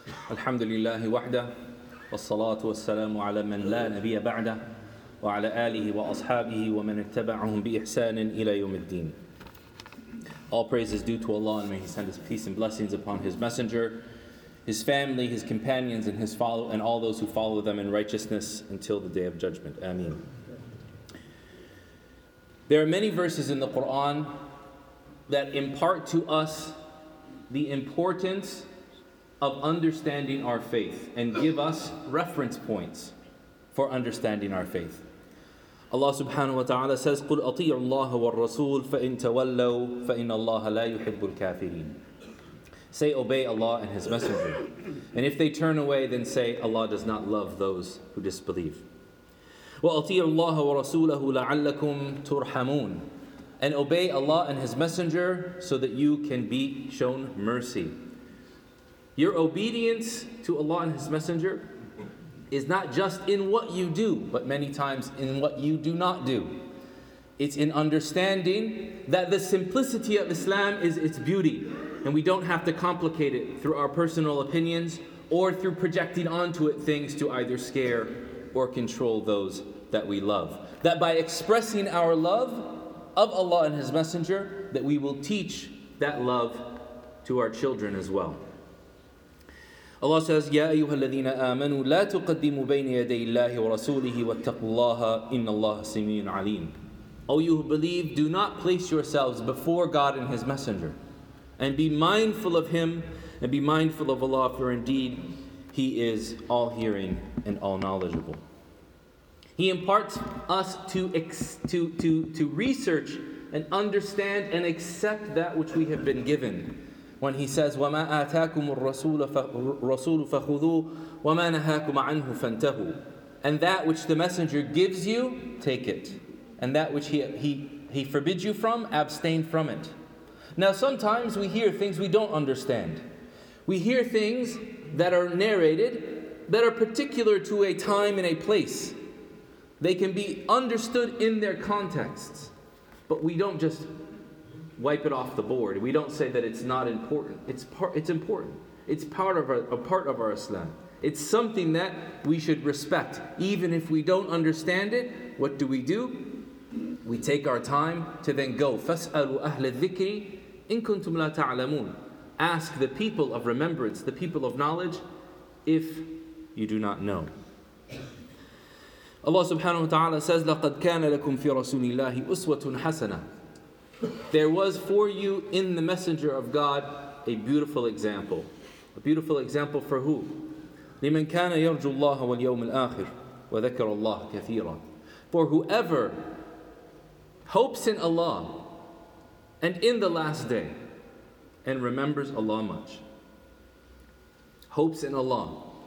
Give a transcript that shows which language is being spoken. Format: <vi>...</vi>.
<ar>الحمد لله وحده والصلاة والسلام على من لا نبي بعده وعلى آله وأصحابه ومن اتبعهم بإحسان إلى يوم الدين.</ar> <en>All praise is due to Allah, and may He send His peace and blessings upon His Messenger, His family, His companions, and His follow and all those who follow them in righteousness until the Day of Judgment. Ameen. There are many verses in the Quran that impart to us the importance of understanding our faith and give us reference points for understanding our faith.</en> <ar>Allah subhanahu wa ta'ala</ar> <en>says,</en> <ar>قُلْ أَطِيعُ اللَّهَ وَالرَّسُولُ فَإِنْ تَوَلَّوْا فَإِنَّ اللَّهَ لَا يُحِبُّ الْكَافِرِينَ.</ar> <en>Say, obey Allah and His Messenger. And if they turn away, then say, Allah does not love those who disbelieve.</en> <ar>وَأَطِيعُ اللَّهَ وَرَسُولَهُ لَعَلَّكُمْ تُرْحَمُونَ.</ar> <en>and obey Allah and His Messenger so that you can be shown mercy. Your obedience to Allah and His Messenger is not just in what you do, but many times in what you do not do. It's in understanding that the simplicity of Islam is its beauty, and we don't have to complicate it through our personal opinions or through projecting onto it things to either scare or control those that we love. That by expressing our love of Allah and His Messenger, that we will teach that love to our children as well. Allah says,</en> <ar>يَا أَيُّهَا الَّذِينَ آمَنُوا لَا تُقَدِّمُوا بَيْنِ يَدَيِ اللَّهِ وَرَسُولِهِ وَاتَّقُوا اللَّهَ إِنَّ اللَّهَ سَمِيعٌ عَلِيمٌ.</ar> <en>O you who believe, do not place yourselves before God and His Messenger, and be mindful of Him, and be mindful of Allah, for indeed He is all-hearing and all-knowledgeable. He imparts us to research and understand and accept that which we have been given. When He says,</en> <ar>وَمَا آتَاكُمُ الرَّسُولُ فَخُذُوهُ وَمَا نَهَاكُمْ عَنْهُ فَانْتَهُوا.</ar> <en>And that which the Messenger gives you, take it. And that which he forbids you from, abstain from it. Now sometimes we hear things we don't understand. We hear things that are narrated that are particular to a time and a place. They can be understood in their contexts. But we don't just wipe it off the board. We don't say that it's not important. It's important. It's part of our Islam. It's something that we should respect. Even if we don't understand it, what do? We take our time to then go.</en> <ar>فَاسْأَلُوا أَهْلَ الذِّكْرِ إِن كُنْتُمْ لَا تَعْلَمُونَ.</ar> <en>Ask the people of remembrance, the people of knowledge, if you do not know.</en> <ar>Allah subhanahu wa ta'ala</ar> <en>says,</en> <ar>لَقَدْ كَانَ لَكُمْ فِي رَسُولِ اللَّهِ أُسْوَةٌ حَسَنَةٌ. There was for you in the Messenger of God a beautiful example.</ar> <en>A beautiful example for who?</en> <ar>لِمَنْ كَانَ يَرْجُ اللَّهَ وَالْيَوْمِ الْآخِرِ وَذَكَرَ اللَّهَ كَثِيرًا.</ar> <en>For whoever hopes in Allah and in the last day and remembers Allah much. Hopes in Allah.</en>